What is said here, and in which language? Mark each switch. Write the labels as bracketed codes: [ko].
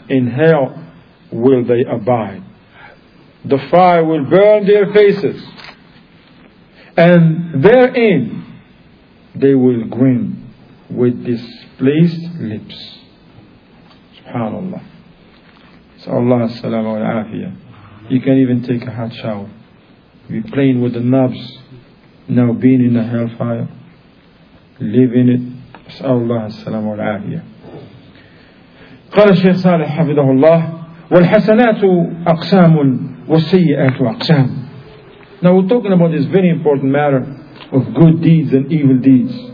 [en] In hell will they abide. The fire will burn their faces, and therein they will grin with displaced lips. Subhanallah. So Allah salam wa afiyah. You can even take a hot shower. Be playing with the knobs. Now being in a hellfire, living it. Allah salam wa afiyah. [ar] قال الشيخ صالح حفظه الله والحسنات أقسام والسيئات أقسام. [en] Now we're talking about this very important matter of good deeds and evil deeds.